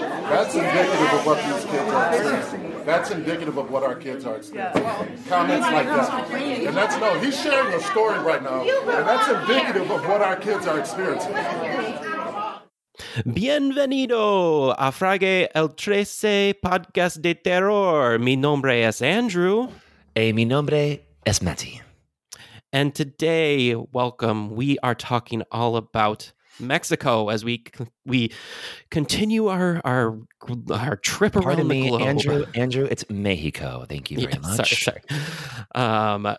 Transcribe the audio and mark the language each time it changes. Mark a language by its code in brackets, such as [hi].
[en] That's indicative of what these kids are experiencing. That's indicative of what our kids are experiencing. Comments like that. And that's, no, he's sharing a story right now. And that's indicative of what our kids are experiencing. [es] Bienvenido a Frage el 13 Podcast de Terror. Mi nombre es Andrew. Mi nombre es Matty. [en] And today, welcome, we are talking all about Mexico as we continue our trip Pardon around me, the globe. Andrew, it's Mexico. Thank you very much. Sorry.